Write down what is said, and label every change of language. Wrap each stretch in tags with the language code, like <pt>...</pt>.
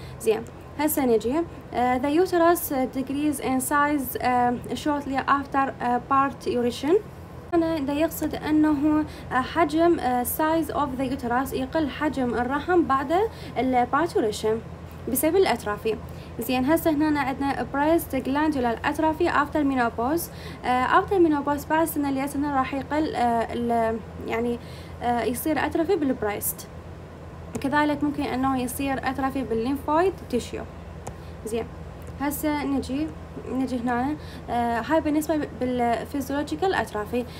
<ar>زين هسه نجي</ar> <en>the uterus decreases in size shortly after parturition.</en> <ar>أنا دا يقصد أنه حجم</ar> <en>size of the uterus</en> <ar>يقل حجم الرحم بعد parturition بسبب الأترافي. زين هسه هنا عندنا</ar> <en>breast glandular atrophy after menopause. After menopause</en> <ar>بعد سنة اليسنة راح يقل يعني يصير أترافي بالبريست، كذلك ممكن انه يصير اترافي باللينفويد تيشيو. زين هسه نجي هنا هاي بالنسبه بالفيزيولوجيكال اترافي.</ar>